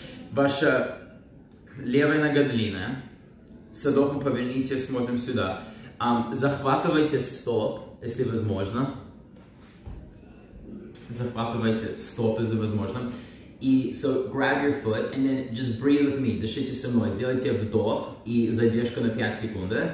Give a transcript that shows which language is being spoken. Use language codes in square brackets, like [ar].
[ru] Ваша левая нога длинная. С вдохом поверните, смотрим сюда. Захватывайте стоп, если возможно. Захватывайте стоп, если возможно. [en] И, so grab your foot and then just breathe with me. [ru] Дышите со мной. Сделайте вдох и задержка на 5 секунд.